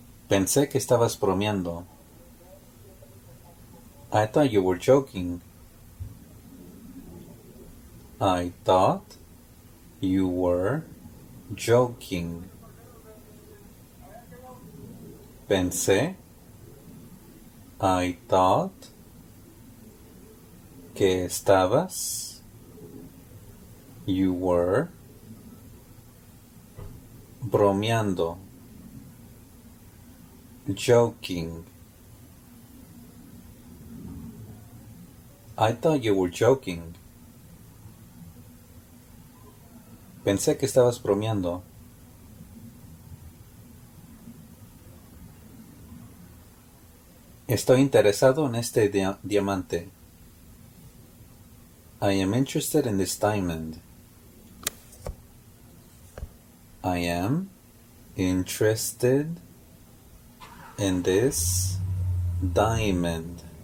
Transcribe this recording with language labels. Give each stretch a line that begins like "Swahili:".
Spanish: Pensé que estabas bromeando.
English: I thought you were joking. I thought you were joking.
Spanish: Pensé.
English: I thought
Spanish: que estabas,
English: you were
Spanish: bromeando,
English: joking. I thought you were joking.
Spanish: Pensé que estabas bromeando. Estoy interesado en este diamante.
English: I am interested in this diamond. I am interested in this diamond.